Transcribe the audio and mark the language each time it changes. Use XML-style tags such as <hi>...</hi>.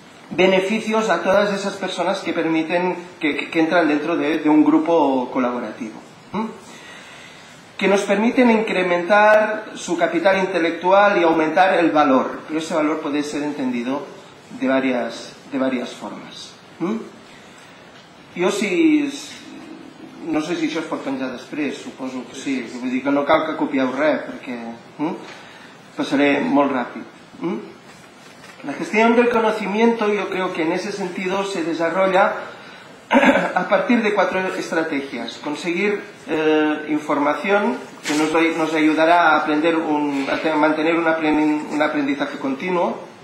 <es>beneficios a todas esas personas que permiten que entran dentro de un grupo colaborativo, que nos permiten incrementar su capital intelectual y aumentar el valor, pero ese valor puede ser entendido de varias formas. Yo sí, no sé si</es> <ca>això es pot penjar després, suposo que sí, vull dir que no cal que copieu res, perquè passaré molt ràpid.</ca> <es>La gestión del conocimiento, yo creo que en ese sentido se desarrolla a partir de cuatro estrategias. Conseguir información, que nos ayudará a aprender a mantener un aprendizaje continuo.</es>